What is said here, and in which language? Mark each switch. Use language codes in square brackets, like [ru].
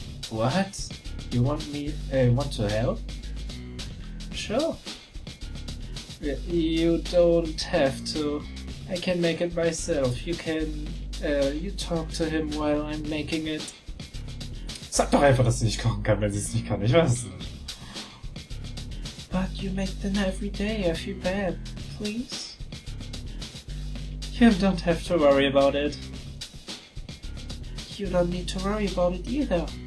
[en] What? You want me want to help? Sure. You don't have to. I can make it myself. You can you talk to him while I'm making it. [de] Sag doch einfach, dass ich nicht kochen kann, wenn sie es nicht kann. Ich weiß es nicht. [en] But you make dinner every day, I feel bad, please. You don't have to worry about it. You don't need to worry about it either.